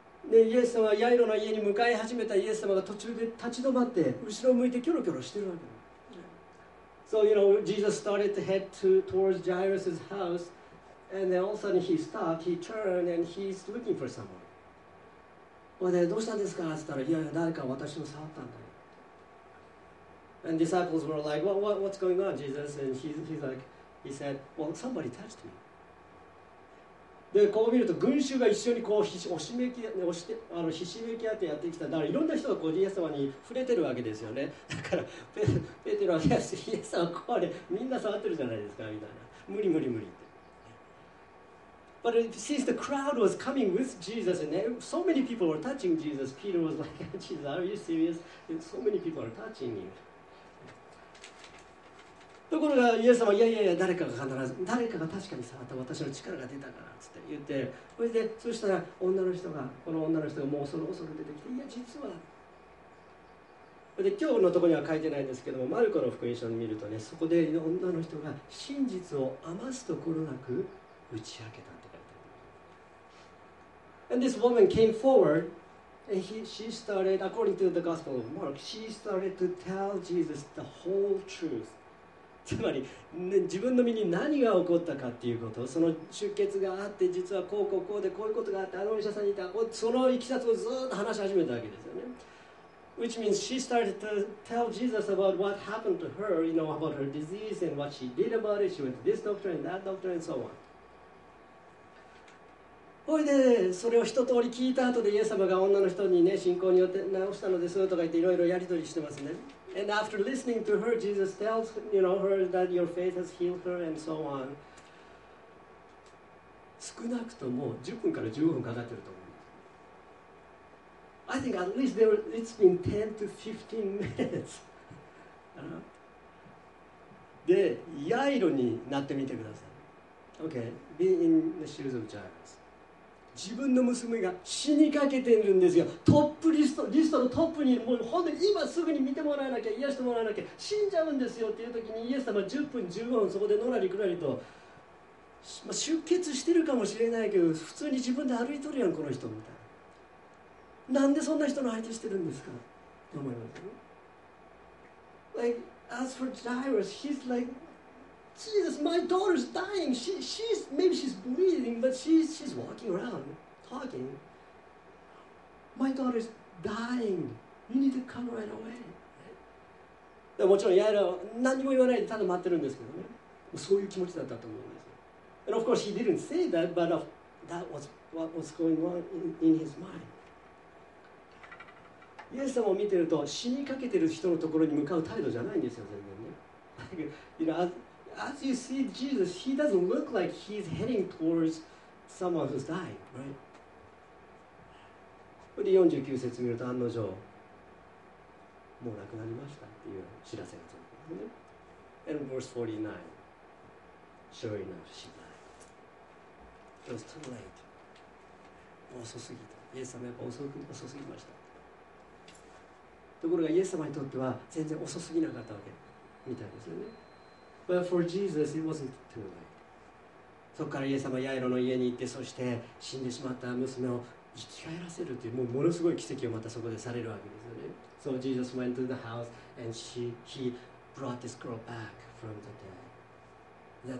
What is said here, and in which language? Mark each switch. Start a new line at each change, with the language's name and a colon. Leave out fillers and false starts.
Japanese: で、イエス様はヤイロの家に向かい始めた。イエス様が途中で立ち止まって、後ろを向いてキョロキョロしてるわけ。
English: So, you know, Jesus started to head towards Jairus' house, and then all of a sudden he stopped, he turned, and he's looking for someone.
Japanese: でどうしたんですかって言ったら、いやいや、誰か私を触ったんだよ。
English: And disciples were like, what's going on, Jesus? And he said, well, somebody touched me.
Japanese: で、こう見ると、群衆が一緒にこう、ひしめき合ってやってきた。だから、いろんな人がこうイエス様に触れてるわけですよね。だから、ペテロは、イエス様、これ、みんな触ってるじゃないですか、みたいな。無理無理無理って。
English: But since the crowd was coming with Jesus and so many people were touching Jesus, Peter was like, Jesus, are you serious? And so many people are touching you.
Japanese: ところがイエス様、いやいやいや、誰かが必ず、誰かが確かに触った、私の力が出たからって言って、それで、そしたら女の人が、この女の人がもう恐る恐る出てきて、いや、実は。で、今日のところには書いてないんですけども、マルコの福音書を見るとね、そこで女の人が真実を余すところなく打ち明けた。
English: And this woman came forward, and she started, according to the Gospel of Mark, she started to tell Jesus the whole truth.
Japanese: つまり、ね、自分の身に何が起こったかっていうこと、その出血があって、実はこうこうこうで、こういうことがあって、あのお医者さんにいた、その経緯をずっと話し始めたわけですよね。
English: Which means she started to tell Jesus about what happened to her, you know, about her disease and what she did about it. She went to this doctor and that doctor and so on.
Japanese: それで、それを一通り聞いた後で、イエス様が女の人にね、信仰によって治したのですとか言って、いろいろやり取りしてますね。
English: And after listening to her, Jesus tells, you know, her that your faith has healed her and so on.
Japanese: 少なくとも10分から15分かかってると思う。
English: I think at least it's been 10 to 15 minutes.
Japanese: で、ヤイロになってみてください。
English: Okay, be in the shoes of Jairus.
Japanese: 自分の娘が死にかけてるんですよ。トップリストのトップに、もう本当に今すぐに見てもらわなきゃ、癒してもらわなきゃ、死んじゃうんですよっていう時に、イエス様10分15分そこでのらりくらりと、まあ、出血してるかもしれないけど、普通に自分で歩いとるやん、この人みたいな。なんでそんな人の相手してるんですかと思います。
English: Like, as for Jairus, he's likeJesus, my daughter's dying. She's maybe she's bleeding, but she's walking around, talking. My daughter's dying. You need to come right away.
Japanese: でもちろんヤイロ何も言わないでただ待ってるんですけどね。そういう気持ちだったと思うんですよ。
English: And of course he didn't say that, but that was what was going on in his mind.
Japanese: イエス様を見てると死にかけてる人のところに向かう態度じゃないんですよ全然ね。
English: You know, As you see Jesus, he doesn't look like he's heading towards someone who's dying, right?
Japanese: で49節見ると案の定もう亡くなりましたっていう知らせが届くんですね。
English: And verse 49 Sure enough, she died. It was too late.
Japanese: 遅すぎた。イエス様はやっぱ 遅すぎました。ところがイエス様にとっては全然遅すぎなかったわけみたいですよね。
English: But for Jesus, it wasn't too late.
Japanese: そこからイエス様はヤイロの家に行って、そして死んでしまった娘を生き返らせるという、もうものすごい奇跡をまたそこでされるわけですよね。
English: So Jesus went to the house and he brought this girl back from the dead.